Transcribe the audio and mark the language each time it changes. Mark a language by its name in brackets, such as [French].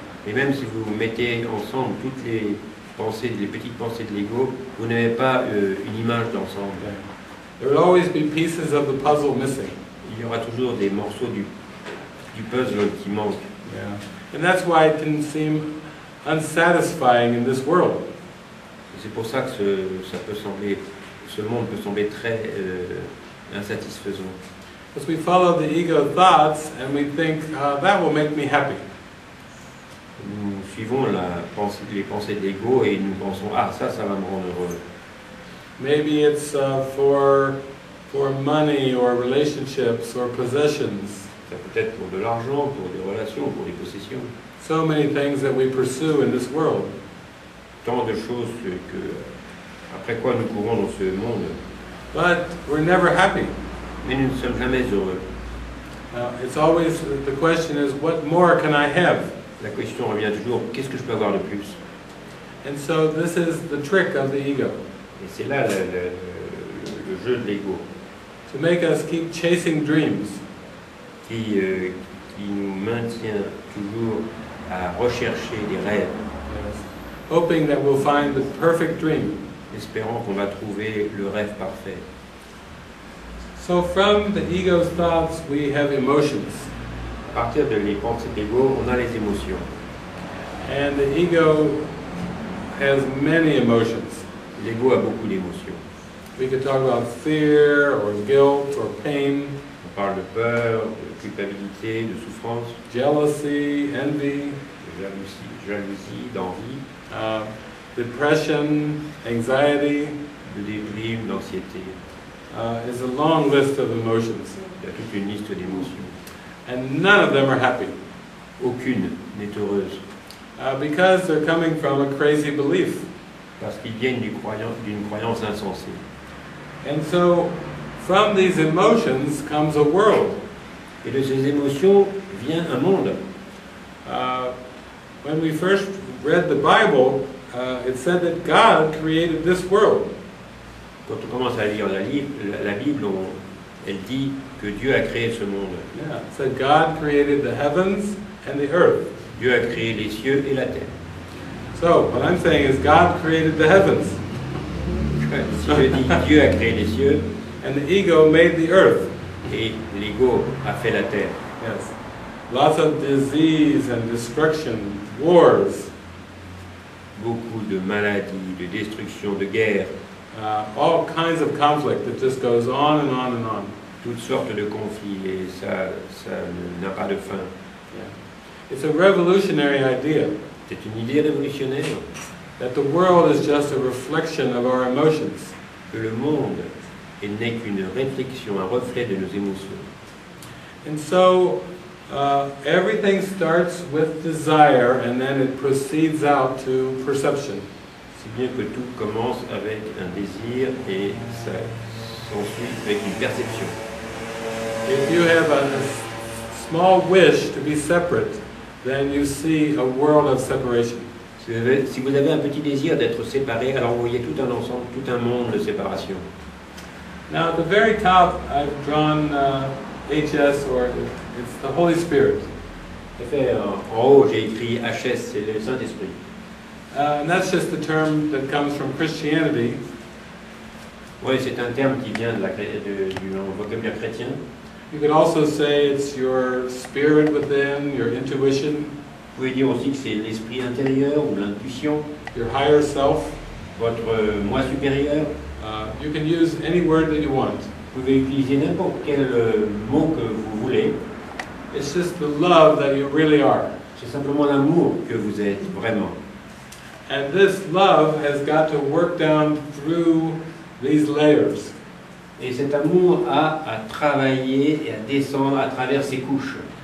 [French] Et même si vous mettez ensemble toutes les pensées, les petites pensées de l'ego, vous n'avez pas une image d'ensemble. [English] There will always be pieces of the puzzle missing. [French] Il y aura toujours des morceaux du puzzle qui manquent. [English] Yeah. And that's why it can seem unsatisfying in this world. [French] C'est pour ça que ce monde peut sembler très insatisfaisant. [English] Because we follow the ego thoughts and we think that will make me happy. [French] Nous suivons les pensées de l'ego et nous pensons ah ça va me rendre heureux. [English] Maybe it's for money or relationships or possessions. [French] Ça peut être pour de l'argent, pour des relations, pour des possessions. [English] So many things that we pursue in this world. [French] Tant de choses que après quoi nous courons dans ce monde. [English] But we're never happy. [French] Mais nous ne sommes jamais heureux. [English] It's always the question is what more can I have? [French] La question revient toujours qu'est-ce que je peux avoir de plus? [English] And so this is the trick of the ego. [French] Et c'est là le jeu de l'ego. [English] To make us keep chasing dreams. [French] Qui nous maintient toujours à rechercher des rêves. [English] Yes. Hoping that we'll find the perfect dream. [French] Espérant qu'on va trouver le rêve parfait. [English] So from the ego's thoughts, we have emotions. [French] À partir de les pensées d'ego, on a les émotions. [English] And the ego has many emotions. [French] L'ego a beaucoup d'émotions. [English] We could talk about fear or guilt or pain. [French] On parle de peur, de culpabilité, de souffrance. [English] Jealousy, envy. [French] Jalousie, d'envie. [English] Depression, anxiety. [French] De déprime, d'anxiété. [English] Is a long list of emotions. [French] Il y a toute une liste d'émotions. [English] And none of them are happy. [French] Aucune n'est heureuse. [English] Because they're coming from a crazy belief. [French] Parce qu'ils viennent d'une croyance insensée. [English] And so, from these emotions comes a world. [French] Et de ces émotions vient un monde. [English] When we first read the Bible, it said that God created this world. [French] Quand on commence à lire la Bible, elle dit que Dieu a créé ce monde. [English] Yeah, so God created the heavens and the earth. [French] Dieu a créé les cieux et la terre. [English] So, what I'm saying is God created the heavens. [French] Si je dis Dieu a créé les cieux, [English] and the ego made the earth. [French] Et l'ego a fait la terre. [English] Yes. Lots of disease and destruction, wars. [French] Beaucoup de maladies, de destruction, de guerre. [English] All kinds of conflict that just goes on and on and on. [French] Toutes sortes de conflits et ça n'a pas de fin. [English] Yeah. It's a revolutionary idea. [French] C'est une idée révolutionnaire. [English] That the world is just a reflection of our emotions. [French] Que le monde n'est qu'une réflexion, un reflet de nos émotions. [English] And so, everything starts with desire and then it proceeds out to perception. [French] C'est bien que tout commence avec un désir et ça s'ensuit avec une perception. [English] If you have a small wish to be separate, then you see a world of separation. [French] Si vous avez un petit désir d'être séparé, alors vous voyez tout un ensemble, tout un monde de séparation. [English] Now, at the very top, I've drawn HS, or it's the Holy Spirit. [French] J'ai écrit HS, c'est le Saint-Esprit. [English] And that's just the term that comes from Christianity. [French] Oui, c'est un terme qui vient de la, du vocabulaire chrétien. [English] You could also say it's your spirit within, your intuition. [French] Vous pouvez dire aussi que c'est l'esprit intérieur ou l'intuition. [English] Your higher self. [French] Votre moi supérieur. [English] You can use any word that you want. [French] Vous pouvez utiliser n'importe quel mot que vous voulez. [English] It's just the love that you really are. [French] C'est simplement l'amour que vous êtes vraiment. [English] And this love has got to work down through these layers. [French] Et cet amour a à travailler et à descendre à travers ces couches.